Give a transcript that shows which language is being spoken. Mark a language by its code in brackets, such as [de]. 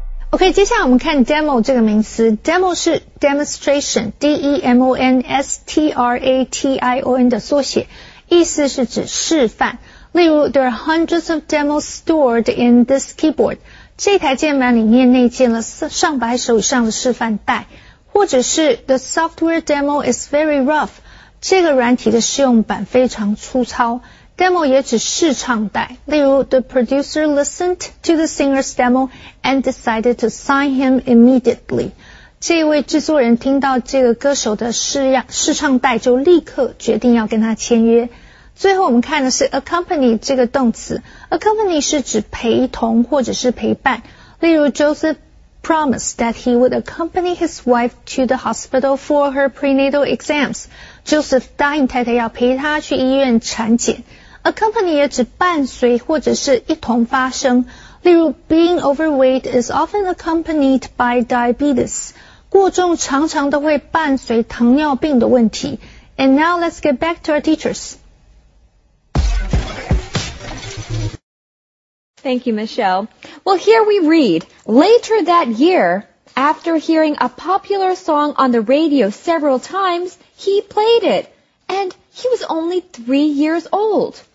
[zh] OK, 接下来我们看 demo 这个名词。demo 是 demonstration, D-E-M-O-N-S-T-R-A-T-I-O-N 的缩写。意思是指示范。 [en] 例如 ,there are hundreds of demos stored in this keyboard. [zh] 这台键盘里面内建了上百首以上的示范带。 [en] 或者是 ,the software demo is very rough. [zh] 这个软体的试用版非常粗糙。 [en] Demo [zh] 也指试唱带，例如 [en] The producer listened to the singer's demo and decided to sign him immediately. [zh] 这位制作人听到这个歌手的试唱带就立刻决定要跟他签约。最后我们看的是 accompany 这个动词。Accompany 是指陪同或者是陪伴。例如 Joseph [en] promised that he would accompany his wife to the hospital for her prenatal exams. [zh] Joseph 答应太太要陪她去医院产检。Accompany 也指伴随或者是一同发生。 [en] 例如 being overweight is often accompanied by diabetes. [zh] 过重常常都会伴随糖尿病的问题。 [en] And now let's get back to our teachers. Thank you, Michelle. Well, here we read, later that year, after hearing a popular song on the radio several times, he played it, and he was only 3 years old.